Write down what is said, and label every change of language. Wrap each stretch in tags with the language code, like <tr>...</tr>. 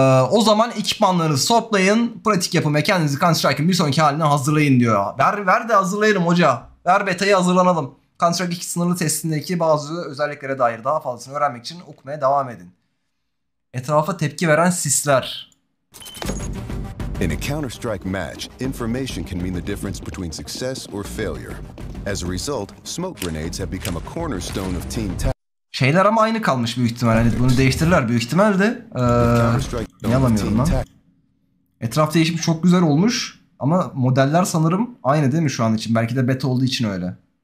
<tr>O zaman ekipmanlarınızı toplayın, pratik yapın ve kendinizi Counter Strike'ın bir sonraki haline hazırlayın diyor. Ver de hazırlayalım hoca. Ver beta'yı hazırlanalım. Counter Strike 2 sınırlı testindeki bazı özelliklere dair daha fazlasını öğrenmek için okumaya devam edin. Etrafa tepki veren sisler.</tr> <en>In a Counter-Strike match, information can mean the difference between success or failure. As a result, smoke grenades have become a cornerstone of team tactics.</en> <tr>Şeyler ama aynı kalmış büyük ihtimal. Hani bunu değiştirirler büyük ihtimal de. Niye alamıyorum lan? Etraf değişimi çok güzel olmuş. Ama modeller sanırım aynı değil mi şu an için? Belki de beta olduğu için öyle.</tr>